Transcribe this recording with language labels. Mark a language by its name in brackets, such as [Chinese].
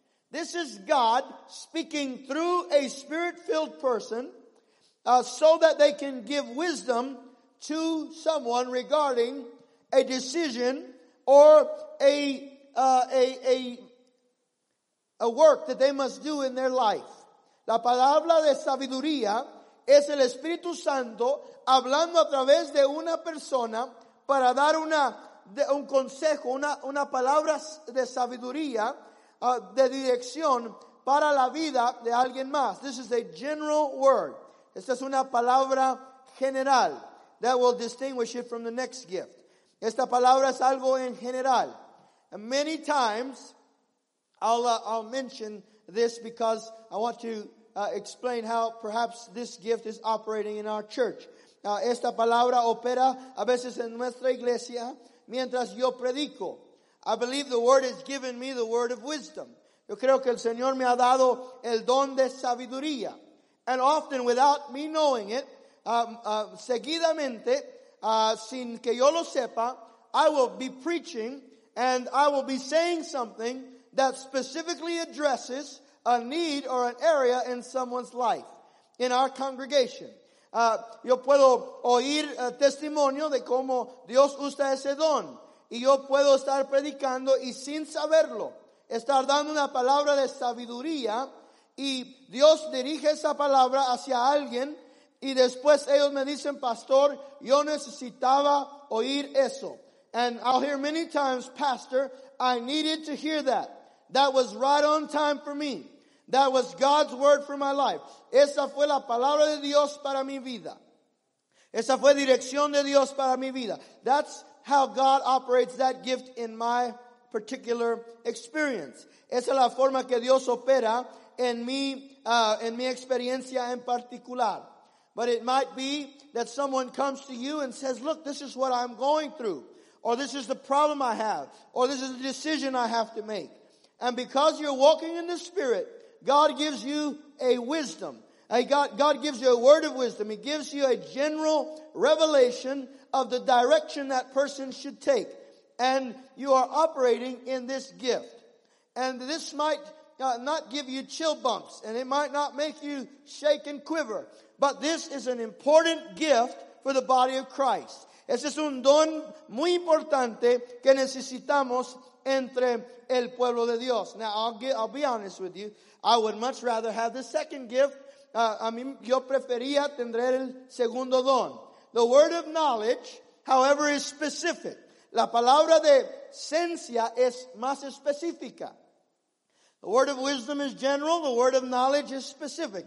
[English] This is God speaking through a spirit-filled person so that they can give wisdom to someone regarding a decision or a work that they must do in their life. [Spanish] La palabra de sabiduría es el Espíritu Santo hablando a través de una persona para dar un consejo, una palabra de sabiduría, de dirección para la vida de alguien más. [English] This is a general word. [Spanish] Esta es una palabra general [English] that will distinguish it from the next gift. [Spanish] Esta palabra es algo en general. [English] And many times, I'll mention this because I want to explain how perhaps this gift is operating in our church. [Spanish] Esta palabra opera a veces en nuestra iglesia mientras yo predico. [English] I believe the word has given me the word of wisdom. [Spanish] Yo creo que el Señor me ha dado el don de sabiduría. [English] And often without me knowing it, [Spanish] seguidamente, sin que yo lo sepa, [English] I will be preaching and I will be saying something that specifically addresses a need or an area in someone's life, in our congregation. [Spanish] Yo puedo oír testimonio de cómo Dios usa ese don. Y yo puedo estar predicando y sin saberlo, estar dando una palabra de sabiduría y Dios dirige esa palabra hacia alguien y después ellos me dicen, pastor, yo necesitaba oír eso. [English] And I'll hear many times, pastor, I needed to hear that. That was right on time for me. That was God's word for my life. [Spanish] Esa fue la palabra de Dios para mi vida. Esa fue dirección de Dios para mi vida. [English] That's how God operates that gift in my particular experience. [Spanish] Esa es la forma que Dios opera en mi experiencia en particular. [English] But it might be that someone comes to you and says, look, this is what I'm going through. Or this is the problem I have. Or this is the decision I have to make. And because you're walking in the Spirit, God gives you a wisdom. God gives you a word of wisdom. He gives you a general revelation of the direction that person should take. And you are operating in this gift. And this might not give you chill bumps. And it might not make you shake and quiver. But this is an important gift for the body of Christ. [Spanish] Ese es un don muy importante que necesitamos entre el pueblo de Dios. [English] Now, I'll be honest with you. I would much rather have the second gift. [Spanish] Yo prefería tener el segundo don. [English] The word of knowledge, however, is specific. [Spanish] La palabra de ciencia es más específica. [English] The word of wisdom is general. The word of knowledge is specific.